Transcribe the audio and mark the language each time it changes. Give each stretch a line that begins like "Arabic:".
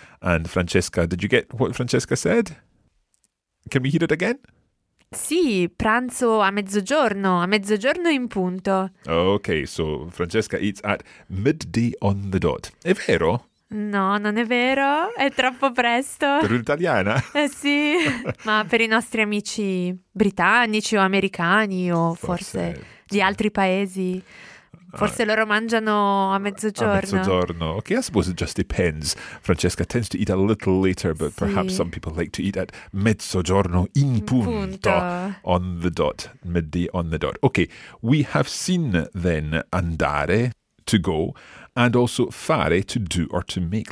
English: And Francesca, did you get what Francesca said? Can we hear it again?
Italian: Sì, pranzo a mezzogiorno in punto.
English: Okay, so Francesca eats at midday on the dot.
Italian: È vero? No, non è vero, è troppo presto. Per un'italiana? Sì, ma per i nostri amici britannici o americani o forse di altri paesi, forse loro mangiano a mezzogiorno. A mezzogiorno,
English: ok, I suppose it just depends. Francesca tends to eat a little later, but
Italian: sì.
English: Perhaps some people like to eat at
Italian: mezzogiorno in punto.
English: On the dot, midday on the dot. Ok, we have seen then andare, to go, and also fare, to do or to make.